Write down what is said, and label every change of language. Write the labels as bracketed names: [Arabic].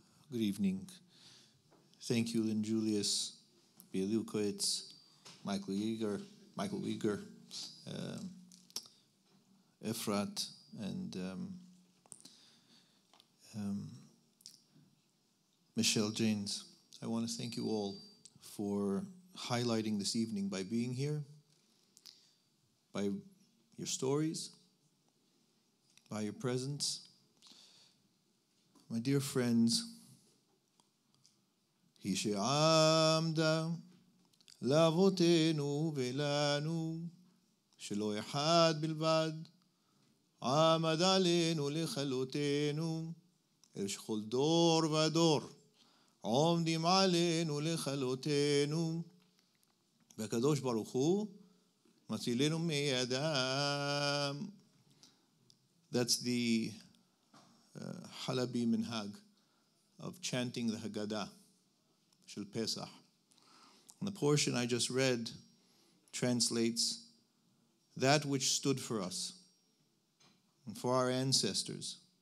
[English] Good evening. Thank you, Lynn Julius, Bea Lukowitz, Michael Uyghur, Efrat, and Michelle James. I want to thank you all for highlighting this evening by being here, by your stories, by your presence. My dear friends, [Hebrew] היא שעמדה לאבותינו ולנו, שלא אחד בלבד, עמד עלינו לחלותינו, אל שכל דור ודור, עומדים עלינו לחלותינו, והקדוש ברוך הוא מצילנו מידם. [English] That's the Halabi minhag of chanting the Haggadah. Shel Pesach. And the portion I just read translates that which stood for us and for our ancestors